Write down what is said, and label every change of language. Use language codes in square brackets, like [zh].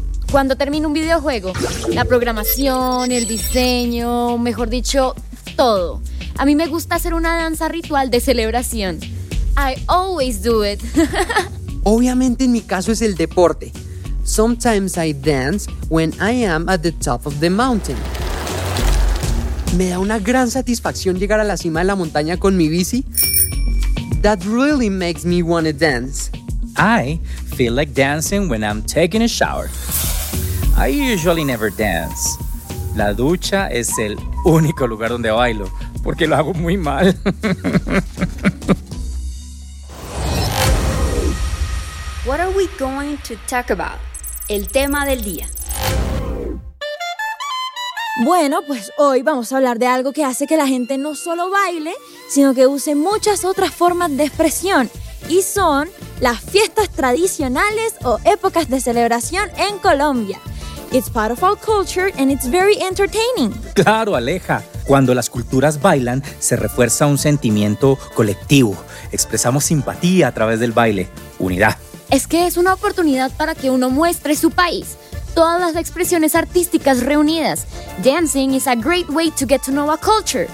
[es] Cuando termino un videojuego, la programación, el diseño, mejor dicho, todo. A mí me gusta hacer una danza ritual de celebración. [en] I always do it. [es] Obviamente en mi caso es el deporte. [en] Sometimes I dance when I am at the top of the mountain. [es] Me da una gran satisfacción llegar a la cima de la montaña con mi bici. [en] That really makes me want to dance. I feel like dancing when I'm taking a shower. I usually never dance. [es] La ducha es el único lugar donde bailo, porque lo hago muy mal. [en] What are we going to talk about? [es] El tema del día. Bueno, pues hoy vamos a hablar de algo que hace que la gente no solo baile, sino que use muchas otras formas de expresión, y son las fiestas tradicionales o épocas de celebración en Colombia. [en] It's part of our culture and it's very entertaining. [es] Claro, Aleja. Cuando las culturas bailan, se refuerza un sentimiento colectivo. Expresamos simpatía a través del baile. Unidad. Es que es una oportunidad para que uno muestre su país. Todas las expresiones artísticas reunidas. [en] Dancing is a great way to get to know a culture.